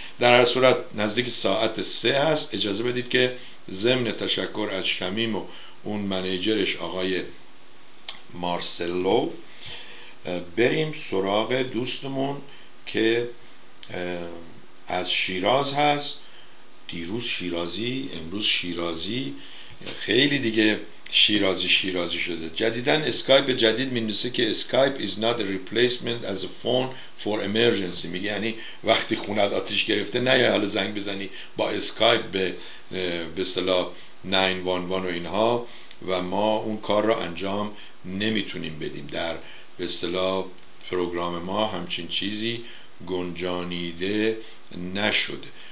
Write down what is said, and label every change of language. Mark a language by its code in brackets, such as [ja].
[fa] در هر صورت نزدیک ساعت 3 هست، اجازه بدید که ضمن تشکر از شمیم و اون منیجرش آقای مارسلو بریم سراغ دوستمون که از شیراز هست. دیروز شیرازی، امروز شیرازی، خیلی دیگه شیرازی شیرازی شده. جدیدن اسکایپ جدید می‌نویسه که اسکایپ [en] is not a replacement as a phone for emergency. [fa] میگه یعنی وقتی خونت آتیش گرفته نه یه حالا زنگ بزنی با اسکایپ به اصطلاح 911 و اینها، و ما اون کار را انجام نمیتونیم بدیم. در به اصطلاح پروگرام ما همچین چیزی گنجانیده نشده.